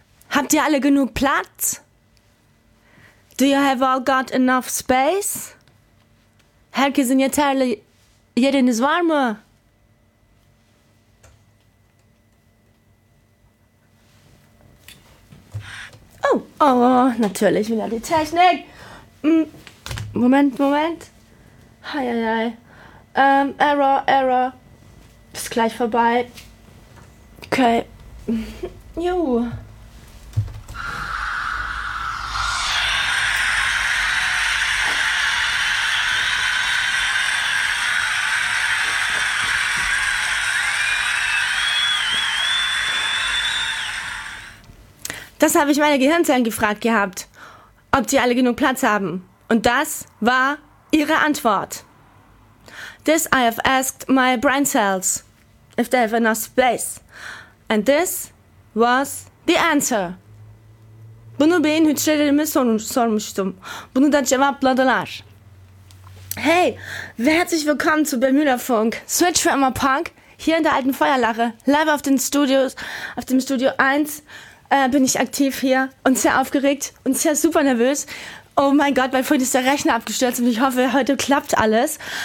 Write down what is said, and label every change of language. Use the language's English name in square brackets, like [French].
[German] Habt ihr alle genug Platz? [English] Do you have all got enough space? [German] Herke, sind jetzt alle jeden ist warmer. Oh, natürlich wieder die Technik. Moment. Hei. Error. Ist gleich vorbei. Okay. Juhu. Das habe ich meine Gehirnzellen gefragt gehabt, ob die alle genug Platz haben. Und das war ihre Antwort. [English] This I have asked my brain cells, if they have enough space. And this was the answer. [Turkish] Bunu beyin hücrelerime sormuştum. Bunu da cevapladılar. [German] Hey, herzlich willkommen zu Bermuda Funk, Switch for Emma Punk, hier in der alten Feuerlache, live auf den Studios, auf dem Studio 1. Bin ich aktiv hier und sehr aufgeregt und sehr super nervös. Oh mein Gott, weil vorhin ist der Rechner abgestürzt und ich hoffe, heute klappt alles.